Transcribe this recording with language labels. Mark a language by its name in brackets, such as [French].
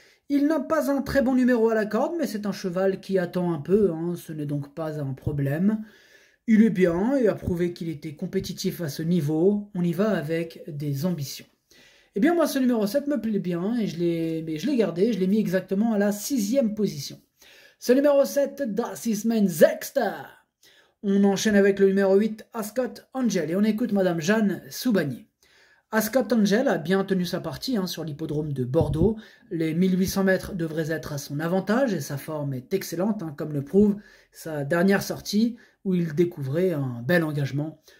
[French] Il n'a pas un très bon numéro à la corde, mais c'est un cheval qui attend un peu, hein, ce n'est donc pas un problème. Il est bien et a prouvé qu'il était compétitif à ce niveau. On y va avec des ambitions. Eh bien moi ce numéro 7 me plaît bien et je l'ai gardé, je l'ai mis exactement à la sixième position. Ce numéro 7, [German] Das ist mein Sechster. [French] On enchaîne avec le numéro 8, Ascot Angel, et on écoute Madame Jeanne Soubanier. Ascot Angel a bien tenu sa partie hein, sur l'hippodrome de Bordeaux. Les 1800 mètres devraient être à son avantage et sa forme est excellente, hein, comme le prouve sa dernière sortie où il découvrait un bel engagement.